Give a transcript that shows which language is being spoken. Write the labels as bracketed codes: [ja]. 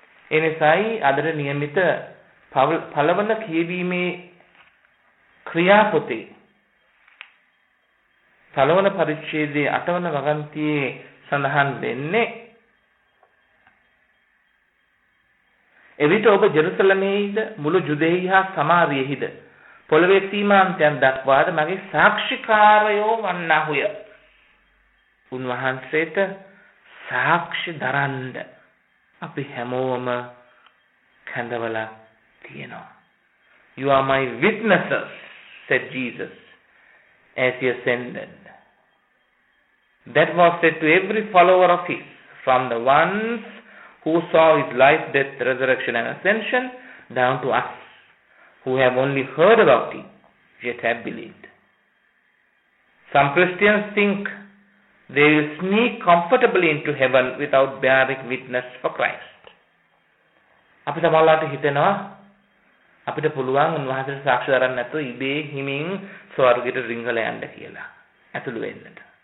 [si] එනිසායි අදට නියමිත පළවන කියවීමේ ක්‍රියාපොතේ පළවන පරිච්ඡේදයේ 8 වගන්තියේ සඳහන් වෙන්නේ, එවිට ඔබ ජෙරුසලමේහිද මුළු යුදෙහි හා සමාරියෙහිද පොළවේ සීමාන්තයන් දක්වාද මගේ සාක්ෂිකාරයෝ වන්නාහුය. උන්වහන්සේට සාක්ෂි දරන්න අපි හැමෝම කැඳවලා තියෙනවා. [en] You are my witnesses, said Jesus, as he ascended. That was said to every follower of his, from the ones who saw his life, death, resurrection and ascension, down to us, who have only heard about him, yet have believed. Some Christians think they will sneak comfortably into heaven without bearing witness for Christ. [si] අපිට මල්ලාට හිතෙනවා, අපිට පුළුවන් උන්වහන්සේට සාක්ෂි දරන්න නැතුව ඉබේ හිමින් ස්වර්ගයට රිංගල යන්න කියලා ඇතුළු වෙන්නට.